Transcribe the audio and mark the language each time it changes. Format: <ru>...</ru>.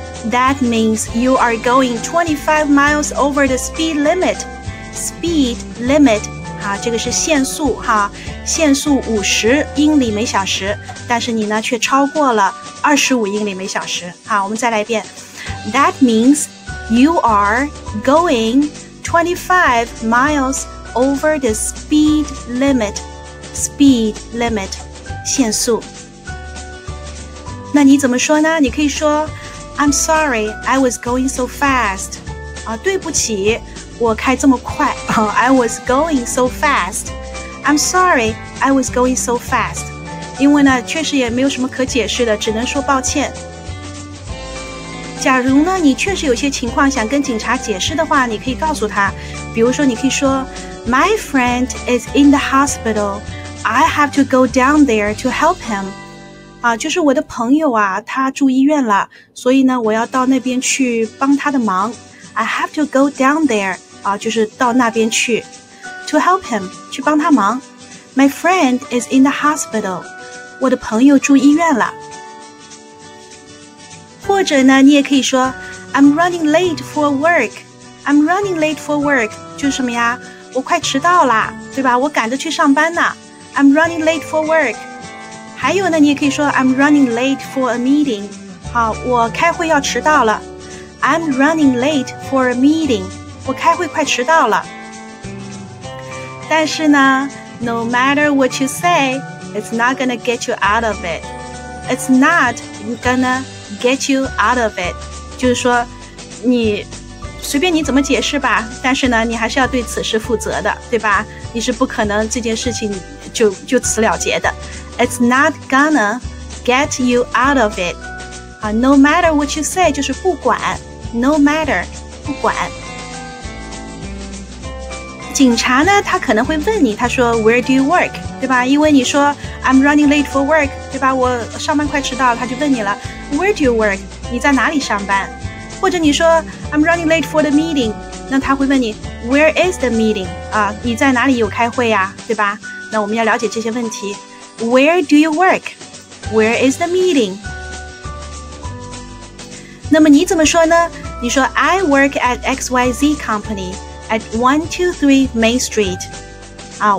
<en>That means you are going 25 miles over the speed limit. Speed limit.</en> <zh>这个是限速哈，限速50英里每小时，但是你呢却超过了25英里每小时。好，我们再来一遍。</zh> <en>That means you are going 25 miles over the speed limit.</en> <zh>Speed limit, 限速。那你怎么说呢？你可以说</zh> <en>I'm sorry, I was going so fast.</en> <zh>啊，对不起。我开这么快、</zh> <en>I was going so fast. I'm sorry, I was going so fast.</en> <zh>因为呢确实也没有什么可解释的，只能说抱歉。假如呢你确实有些情况想跟警察解释的话，你可以告诉他，比如说你可以说</zh> <en>My friend is in the hospital. I have to go down there to help him.</en> <zh>就是我的朋友啊他住医院了，所以呢我要到那边去帮他的忙。</zh> <en>I have to go down there,</en> <zh>就是到那边去</zh> <en>to help him,</en> <zh>去帮他忙。</zh> <en>My friend is in the hospital,</en> <zh>我的朋友住医院了。或者呢你也可以说</zh> <en>I'm running late for work,</en> <zh>I'm running late for work, 就是什么呀，我快迟到了，对吧，我赶着去上班呢。</zh> <en>I'm running late for work.</en> <zh>还有呢你也可以说</zh> <en>I'm running late for a meeting,</en> <zh>我开会要迟到了。</zh> <en>I'm running late for a meeting.</en> <zh>我开会快迟到了。但是呢</zh> <en>no matter what you say, it's not gonna get you out of it. It's not gonna get you out of it.</en> <zh>就是说你随便你怎么解释吧，但是呢你还是要对此事负责的，对吧，你是不可能这件事情就此了结的。</zh> <en>It's not gonna get you out of it. No matter what you say,</en> <zh>就是不管。</zh> <en>No matter,</en> <zh>不管。警察呢他可能会问你，他说</zh> <en>Where do you work?</en> <zh>对吧，因为你说</zh> <en>I'm running late for work,</en> <zh>对吧，我上班快迟到了，他就问你了 Where do you work? 你在哪里上班。或者你说</zh> <en>I'm running late for the meeting,</en> <zh>那他会问你</zh> <en>Where is the meeting?</en> <zh>你在哪里有开会呀，对吧，那我们要了解这些问题。</zh> <en>Where do you work? Where is the meeting?</en> <zh>那么你怎么说呢？你说</zh> <en>I work at XYZ company at 123 Main Street.</en>